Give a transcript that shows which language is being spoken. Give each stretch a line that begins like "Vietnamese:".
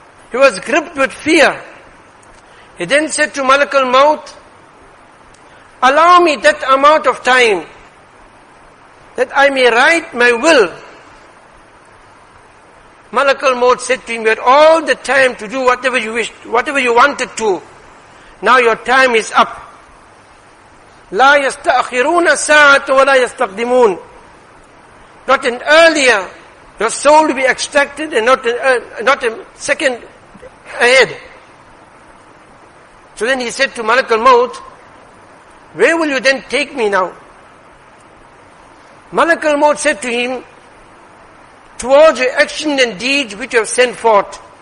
English: He was gripped with fear. He then said to Malakul Maut, allow me that amount of time that I may write my will. Malakul Maut said to him, you had all the time to do whatever you wished, whatever you wanted to. Now your time is up.
Arabic: لا يستأخرون ساعة ولا يستقدمون.
English: Not an earlier, your soul will be extracted and not a second ahead. So then he said to Malakul Maut, where will you then take me now? Malakul Maut said to him, towards your action and deeds which you have sent forth.